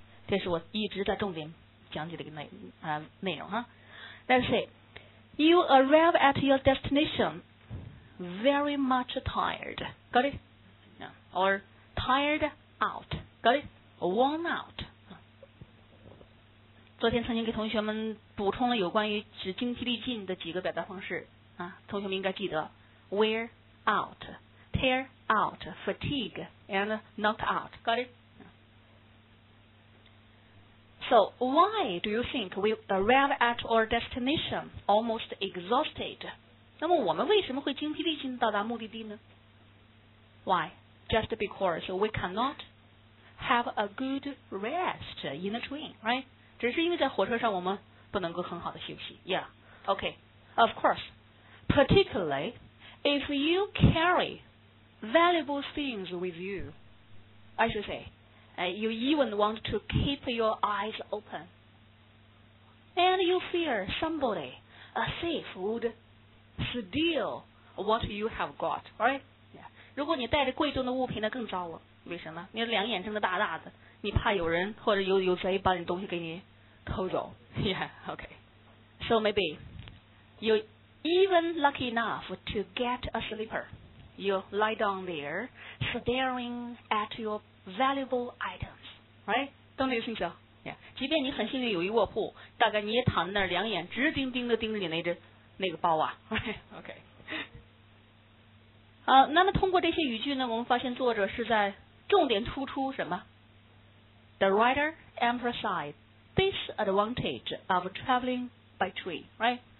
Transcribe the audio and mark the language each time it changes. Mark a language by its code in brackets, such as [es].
[zh] 这是我一直在重点讲解的一个内容哈。 [en] Let's see, you arrive at your destination very much tired. Got it? No. Or tired out. Got it? Worn out. [zh] 昨天曾经给同学们补充了有关于指精疲力尽的几个表达方式啊，同学们应该记得 [en] wear out, tear out, fatigue, and knock out. Got it? So, why do you think we arrive at our destination almost exhausted? [zh] 那么我们为什么会精疲力尽到达目的地呢？ [en] Why? Just because we cannot have a good rest in the train, right? [zh] 只是因为在火车上我们不能够很好的休息。 [en] Yeah, okay. Of course, particularly if you carry valuable things with you, I should say,you even want to keep your eyes open. And you fear somebody, a thief, would steal what you have got, right? Yeah. [zh] 如果你带着贵重的物品呢，更糟了。为什么？你两眼睁得大大的，你怕有人或者有贼把你东西给你偷走。 [en] Yeah, okay. So maybe you're even lucky enough to get a sleeper. You lie down there, staring at your valuable items, right? Don't you think so? Yeah. [zh] 即便你很幸运有一卧铺，大概你也躺在那儿，两眼直盯盯的盯着你那个包啊。 [en] Right? Okay. [zh] 那么通过这些语句呢，我们发现作者是在重点突出什么 ？ [en] The writer emphasized disadvantage of traveling by train, right?